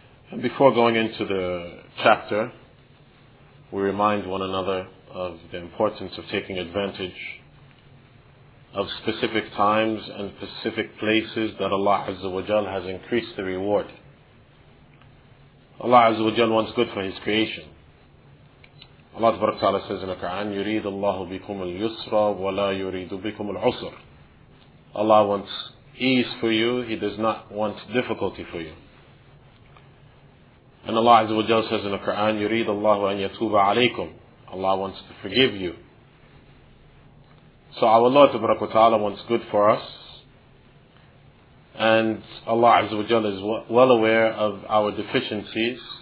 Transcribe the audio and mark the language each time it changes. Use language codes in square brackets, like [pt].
[en] And before going into the chapter, we remind one another of the importance of taking advantage of specific times and specific places that Allah Azza wa Jal has increased the reward. Allah Azza wa Jal wants good for His creation. Allah Ta'ala says in the Quran, [ar] يُرِيدُ اللَّهُ بِكُمُ الْيُسْرَ وَلَا يُرِيدُ بِكُمُ الْعُسْرَ. [en] Allah wants ease for you, He does not want difficulty for you. And Allah Azza wa Jalla says in the Quran, [ar] يُرِيدُ اللَّهُ أَن يَتُوبَ عَلَيْكُمْ. [en] Allah wants to forgive you. So our Lord Ta'ala wants good for us, and Allah Azza wa Jalla is well aware of our deficiencies.